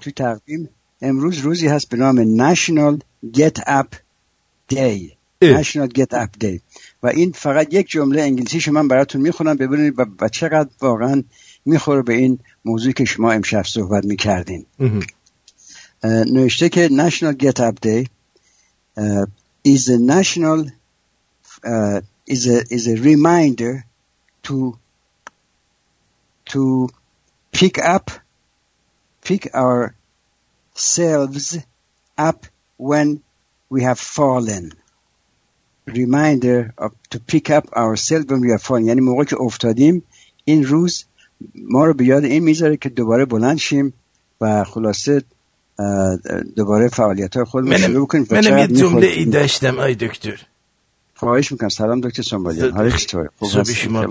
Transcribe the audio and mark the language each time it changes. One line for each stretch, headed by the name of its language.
Persian: تو تقویم امروز روزی هست به نام National Get Up Day.
English: National Get Up Day.
Persian: و این فقط یک جمله انگلیسی شما براتون میخونم ببینید و چقدر واقعا میخوره به این موضوعی که شما امشب صحبت میکردین. نوشته که
English: National Get Up Day is a reminder to pick our selves up when we have fallen. Reminder of to pick up ourselves when we have fallen.
Persian: یعنی موقعی که افتادیم، این روز ما رو به یاد این میذاره که دوباره بلند شیم و خلاصه دوباره فعالیت‌های خودمون شروع کنیم. منم یه جمله ای داشتم آی دکتر. خواهش میکنم. سلام دکتر سنبالی. حال چطور؟ خوب هستم.